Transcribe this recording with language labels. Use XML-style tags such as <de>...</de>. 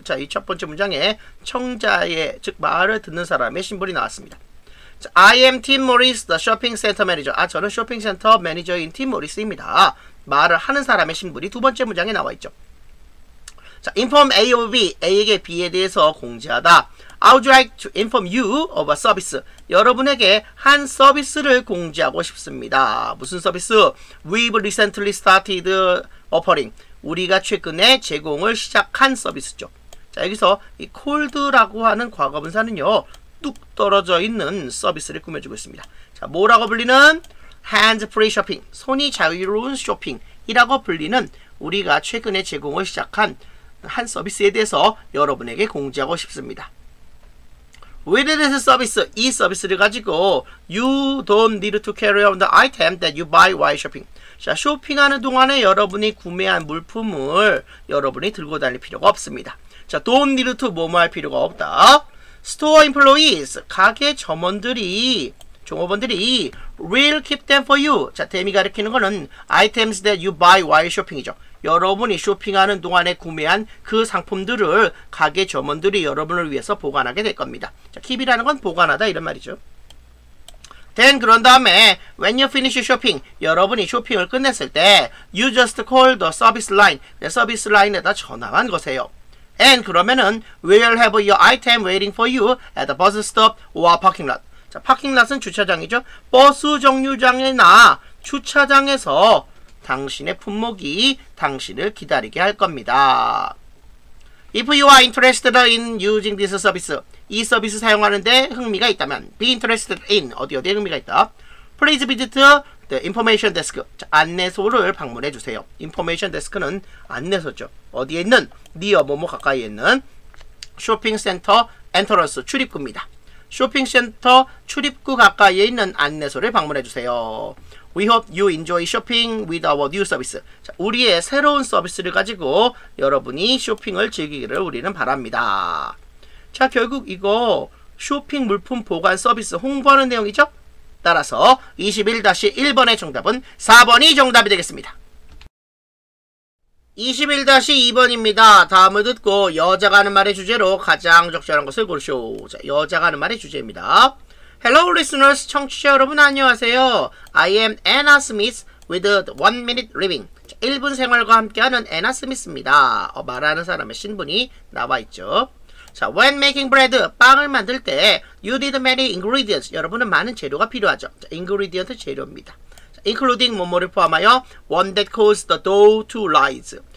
<ko>자, 이 첫 번째 문장에 청자의, 즉 말을 듣는 사람의 신분이 나왔습니다. 자,</ko> <en>I am Tim Morris, the shopping center manager.</en> <ko>아, 저는 쇼핑센터 매니저인 팀 모리스입니다. 말을 하는 사람의 신분이 두 번째 문장에 나와 있죠.</ko> <en>자, inform A of B.</en> <ko>A에게 B에 대해서 공지하다.</ko> <en>I would like to inform you of a service.</en> <ko>여러분에게 한 서비스를 공지하고 싶습니다. 무슨 서비스?</ko> <en>We've recently started offering.</en> <ko>우리가 최근에 제공을 시작한 서비스죠. 자, 여기서 이 cold라고 하는 과거분사는요, 뚝 떨어져 있는 서비스를 꾸며주고 있습니다. 자, 뭐라고 불리는?</ko> <en>Hands-free shopping.</en> <ko>손이 자유로운 쇼핑이라고 불리는 우리가 최근에 제공을 시작한 한 서비스에 대해서 여러분에게 공지하고 싶습니다.</ko> <en>With this service,</en> <ko>이 서비스를 가지고</ko> <en>You don't need to carry on the item that you buy while shopping.</en> <ko>자, 쇼핑하는 동안에 여러분이 구매한 물품을 여러분이 들고 다닐 필요가 없습니다.</ko> <en>자,</en> <ko>don't need to 뭐뭐 할 필요가 없다.</ko> <en>Store employees,</en> <ko>가게 점원들이, 종업원들이</ko> <en>will keep them for you.</en> <ko>자, 데미 가리키는 거는</ko> <en>items that you buy while shopping</en> <ko>이죠. 여러분이 쇼핑하는 동안에 구매한 그 상품들을 가게 점원들이 여러분을 위해서 보관하게 될 겁니다. 자, keep이라는 건 보관하다 이런 말이죠.</ko> <en>Then</en> <ko>그런 다음에</ko> <en>when you finish shopping,</en> <ko>여러분이 쇼핑을 끝냈을 때</ko> <en>you just call the service line,</en> <ko>서비스 라인에다 전화한 거세요.</ko> <en>And</en> <ko>그러면은</ko> <en>we'll have your item waiting for you at the bus stop or parking lot.</en> <ko>자, parking lot은 주차장이죠. 버스 정류장이나 주차장에서 당신의 품목이 당신을 기다리게 할 겁니다.</ko> <en>If you are interested in using this service,</en> <ko>이 서비스 사용하는데 흥미가 있다면,</ko> <en>be interested in,</en> <ko>어디 어디에 흥미가 있다.</ko> <en>Please visit the information desk.</en> <ko>자, 안내소를 방문해 주세요. Information desk는 안내소죠. 어디에 있는, near, 뭐뭐 가까이에 있는 쇼핑센터 엔터런스 출입구입니다. 쇼핑센터 출입구 가까이에 있는 안내소를 방문해 주세요.</ko> <en>We hope you enjoy shopping with our new service.</en> <ko>자, 우리의 새로운 서비스를 가지고 여러분이 쇼핑을 즐기기를 우리는 바랍니다. 자, 결국 이거 쇼핑 물품 보관 서비스 홍보하는 내용이죠? 따라서 21-1번의 정답은 4번이 정답이 되겠습니다. 21-2번입니다. 다음을 듣고 여자가 하는 말의 주제로 가장 적절한 것을 고르시오. 자, 여자가 하는 말의 주제입니다.</ko> <en>Hello listeners,</en> <ko>청취자 여러분 안녕하세요.</ko> <en>I am Anna Smith with One Minute Living.</en> <ko>자, 1분 생활과 함께하는 Anna Smith입니다. 말하는 사람의 신분이 나와있죠.</ko> <en>자, when making bread,</en> <ko>빵을 만들 때</ko> <en>you need many ingredients.</en> <ko>여러분은 많은 재료가 필요하죠.</ko> <en>자, ingredient 재료입니다. 자, including</en> <ko>뭐뭐를 포함하여</ko> <en>one that caused the dough to rise.</en>